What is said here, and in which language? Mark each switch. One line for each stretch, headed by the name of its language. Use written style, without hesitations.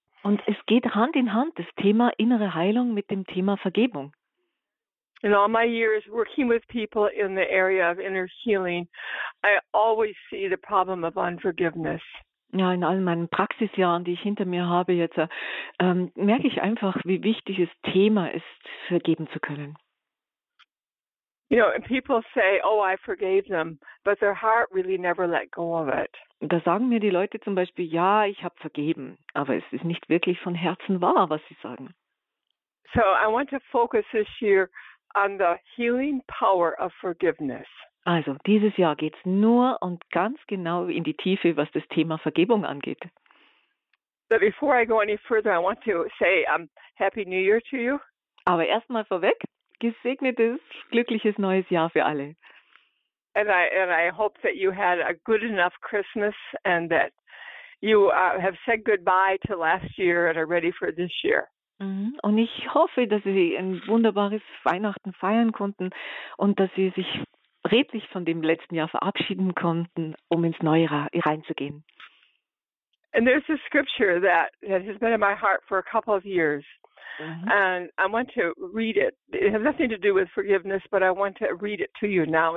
German: Und es geht Hand in Hand, das Thema innere Heilung mit dem Thema Vergebung.
English: In all my years working with people in the area of inner healing, I always see the problem of unforgiveness.
German: Ja, in all meinen Praxisjahren, die ich hinter mir habe jetzt, merke ich einfach, wie wichtig das Thema ist, vergeben zu können.
English: You know, and people say, oh, I forgave them, but their heart really never let go of it.
German: Da sagen mir die Leute zum Beispiel, ja, ich habe vergeben, aber es ist nicht wirklich von Herzen wahr, was sie sagen.
English: So I want to focus this year on the healing power of forgiveness.
German: Also dieses Jahr geht es nur und ganz genau in die Tiefe, was das Thema Vergebung angeht.
English: But before I go any further, I want to say Happy New Year to you.
German: Aber erstmal vorweg, gesegnetes, glückliches neues Jahr für alle.
English: And I hope that you had a good enough Christmas and that you have said goodbye to last year and are ready for this year.
German: Und ich hoffe, dass Sie ein wunderbares Weihnachten feiern konnten und dass Sie sich redlich von dem letzten Jahr verabschieden konnten, um ins neue reinzugehen.
English: And there's a scripture that has been in my heart for a couple of years. Mm-hmm. And I want to read it. It has nothing to do with forgiveness, but I want to read it to you now.